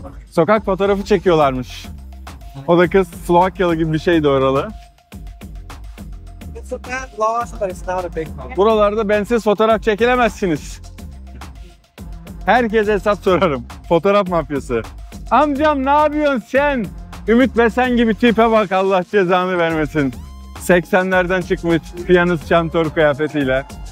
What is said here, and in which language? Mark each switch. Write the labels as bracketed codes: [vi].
[tr] Sokak fotoğrafı çekiyorlarmış. O da kız Slovakyalı gibi bir şeydi oralı. [en] It's a bad loss, but it's not a big problem. [tr] Buralarda bensiz fotoğraf çekilemezsiniz. Herkese hesap sorarım. Fotoğraf mafyası. Amcam ne yapıyorsun sen? Ümit Besen gibi tipe bak, Allah cezanı vermesin. 80'lerden çıkmış piyanist şantör kıyafetiyle.